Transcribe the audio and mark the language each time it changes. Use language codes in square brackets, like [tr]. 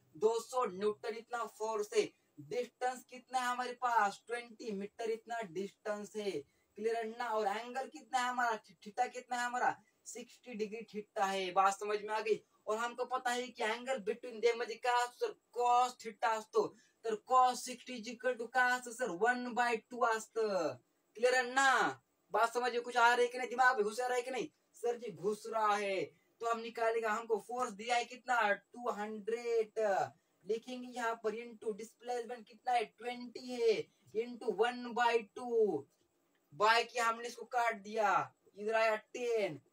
[hi] 200 Newton इतना force है. Distance कितना है हमारे पास? 20 मीटर इतना डिस्टेंस है. क्लियर ना? और एंगल कितना है हमारा? थीटा कितना है हमारा? 60 डिग्री थीटा है. बात समझ में आ गई? और हमको पता है कि एंगल बिटवीन देम [mr] मध्ये काय असतो? कॉस थीटा असतो. तर कॉस 60 इज इक्वल टू काय असतो सर? 1/2 असतं. क्लियर ना? [hi] बात समझ में कुछ आ रही कि नहीं? दिमाग में घुस रहा है कि नहीं सर जी? घुस रहा है. तो हम निकालेगा, हमको फोर्स दिया है कितना? 200. लिखेंगे यहाँ पर इनटू डिस्प्लेसमेंट कितना है? 20 है. इनटू 1/2 बाय की हमने इसको काट दिया, इधर आया 10.